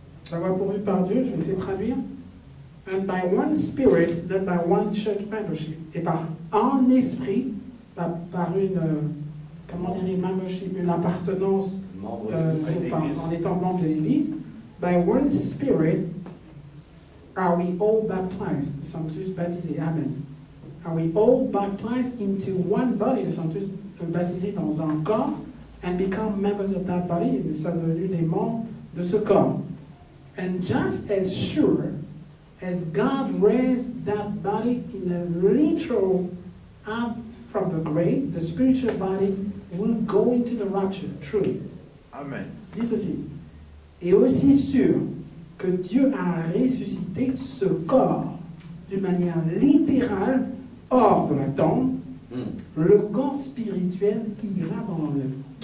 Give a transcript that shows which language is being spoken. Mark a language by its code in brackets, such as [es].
[fr] La voie pourvue par Dieu, je vais essayer de traduire. [en] And by one spirit, then by one church membership. [fr] Et par un esprit, par une, comment dire, membership, une appartenance, en étant membre de l'Église, [en] by one spirit, are we all baptized? [fr] Nous sommes tous baptisés. Amen. [en] Are we all baptized into one body? [fr] Nous sommes tous baptisés dans un corps, [en] and become members of that body. [fr] Nous sommes devenus des membres de ce corps. [en] And just as sure, as God raised that body in a literal up from the grave, the spiritual body will go into the rapture, truly. Amen. [fr] Dis ceci. Et aussi sûr que Dieu a ressuscité ce corps d'une manière littérale, hors de la tombe, le corps spirituel ira dans l'enlèvement.